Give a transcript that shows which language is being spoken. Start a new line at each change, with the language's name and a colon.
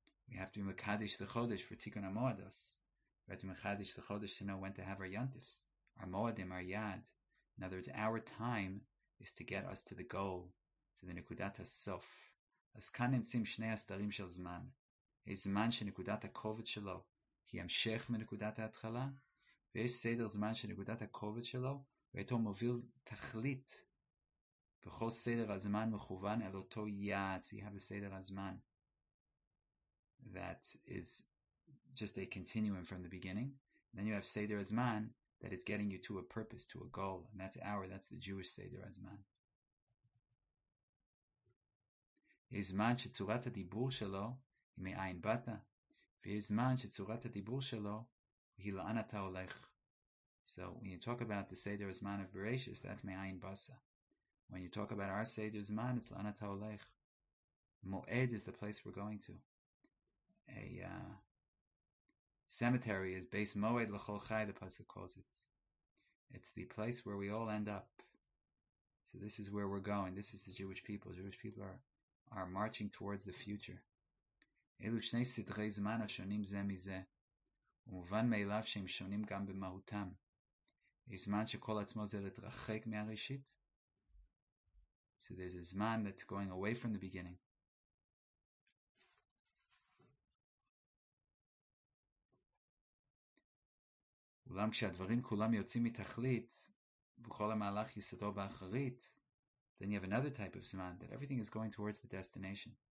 English: We have to be Mekadish the Chodesh for Tikkun HaMoados. We have to be Mekadish the Chodesh to know when to have our Yantifs. Our Moedim, our Yad. In other words, our time is to get us to the goal, to the Nekudat HaSof.
Hebrew: אז כאן נמצאים שני הסדרים של זמן. יש זמן שנקודת הכובד שלו היא המשך מנקודת ההתחלה, ויש סדר זמן שנקודת הכובד שלו ואיתו מוביל תכלית. וכל סדר הזמן מכוון אל אותו יעד.
English: So you have a סדר הזמן that is just a continuum from the beginning. And then you have סדר הזמן that is getting you to a purpose, to a goal. And that's our, that's the Jewish סדר הזמן.
Hebrew: יש זמן שצורת הדיבור שלו היא מאין באת, ויש זמן שצורת הדיבור שלו היא לאן אתה הולך.
English: So when you talk about the Seder Zman of Bereshis, that's
Hebrew: מאין באסה.
English: When you talk about our Seder Zman, it's
Hebrew: לאן אתה הולך.
English: Moed is the place we're going to. A cemetery is Beis Moed L'chol Chai, the Pasuk calls it. It's the place where we all end up. So this is where we're going. This is the Jewish people. Jewish people are marching towards the future.
Hebrew: אלו שני סדרי זמן השונים זה מזה, ומובן מאליו שהם שונים גם במהותם. יש זמן שכל עצמו זה להתרחק מהראשית.
English: So there's a זמן that's going away from the beginning.
Hebrew: אולם כשהדברים כולם יוצאים מתכלית, בכל המהלך יסודו באחרית,
English: then you have another type of zman, that everything is going towards the destination.